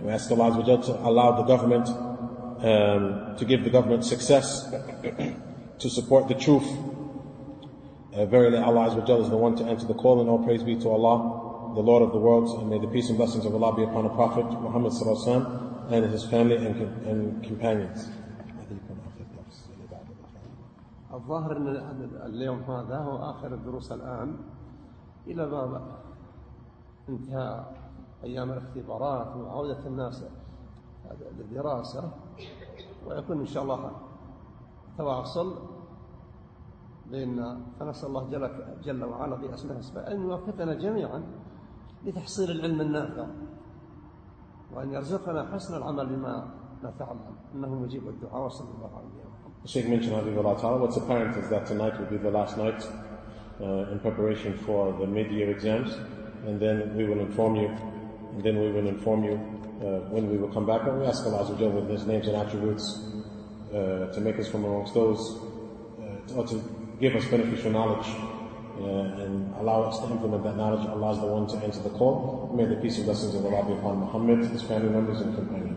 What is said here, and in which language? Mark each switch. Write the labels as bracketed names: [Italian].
[English] We ask Allah Azza wa Jal to allow the government to give the government success to support the truth. Verily Allah Azza wa Jal is the one to answer the call, and all praise be to Allah, the Lord of the worlds, and may the peace and blessings of Allah be upon the Prophet Muhammad sallallahu alaihi wasallam and his family and companions. [Arabic] الظاهر أن اليوم هذا هو آخر الدروس الآن إلى باب انتهاء أيام الاختبارات وعودة الناس للدراسة، ويكون إن شاء الله تواصل بيننا. فنسأل الله جل وعلا بأسمه أن يوفقنا جميعا لتحصيل العلم النافع وأن يرزقنا حسن العمل بما نتعلم أنه مجيب الدعاء وصلى الله عليه وسلم. [English] Sheikh mentioned Habib al-Atara. What's apparent is that tonight will be the last night in preparation for the mid-year exams, and then we will inform you. And then we will inform you when we will come back. And we ask Allah Azza wa Jalla with His names and attributes to make us from amongst those, or to give us beneficial knowledge and allow us to implement that knowledge. Allah is the one to answer the call. May the peace and blessings of Allah be upon Muhammad, his family members, and companions.